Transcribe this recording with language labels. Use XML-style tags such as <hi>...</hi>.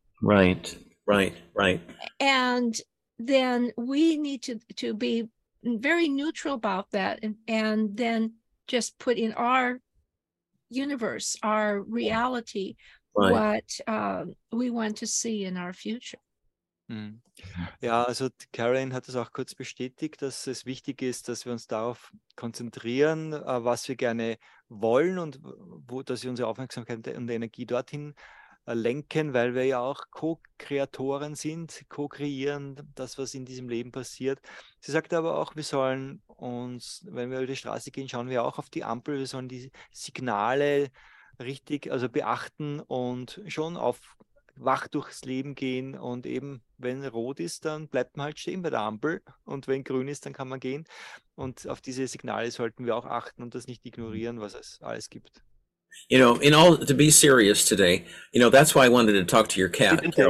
<en>Right, right, right. And then we need to be very neutral about that, and then just put in our universe, our reality, what we want to see in our future.</en> <de>Ja, also Karen hat es auch kurz bestätigt, dass es wichtig ist, dass wir uns darauf konzentrieren, was wir gerne wollen und wo, dass wir unsere Aufmerksamkeit und Energie dorthin lenken, weil wir ja auch Co-Kreatoren sind, co-kreieren das, was in diesem Leben passiert. Sie sagte aber auch, wir sollen uns, wenn wir über die Straße gehen, schauen wir auch auf die Ampel, wir sollen die Signale richtig, also beachten und schon auf wach durchs Leben gehen, und eben wenn rot ist, dann bleibt man halt stehen bei der Ampel, und wenn grün ist, dann kann man gehen, und auf diese Signale sollten wir auch achten und das nicht ignorieren, was es alles gibt.</de> <en>You know, in all, to be serious today, you know, that's why I wanted to talk to your cat.</en>